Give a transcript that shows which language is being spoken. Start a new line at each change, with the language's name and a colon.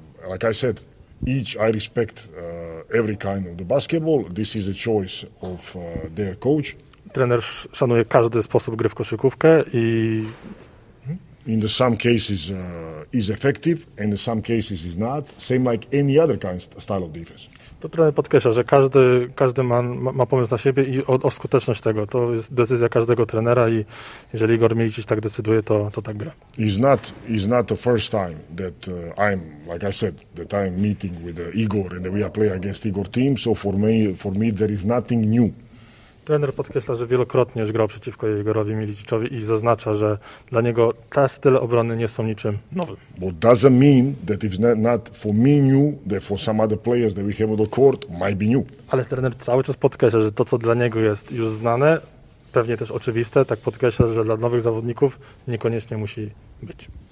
English: Like I said, I respect every kind of the basketball. This is a choice of their coach.
Polish: Trener szanuje każdy sposób gry w koszykówkę i
English: in the some cases is effective and in some cases is not, same like any other kind of style of defense.
Polish: To trener podkreśla, że każdy ma pomysł na siebie i o skuteczność tego. To jest decyzja każdego trenera i jeżeli Igor Miličić tak decyduje, to tak gra.
English: It's not the first time that I'm, like I said, that I'm meeting with Igor and that we are playing against Igor team, so for me there is nothing new.
Polish: Trener podkreśla, że wielokrotnie już grał przeciwko Igorowi Miličićowi i zaznacza, że dla niego te style obrony nie są niczym nowym.
English: But doesn't mean that if not for me new, that for some other players that we have on the court might be new.
Polish: Ale trener cały czas podkreśla, że to, co dla niego jest już znane, pewnie też oczywiste, tak podkreśla, że dla nowych zawodników niekoniecznie musi być.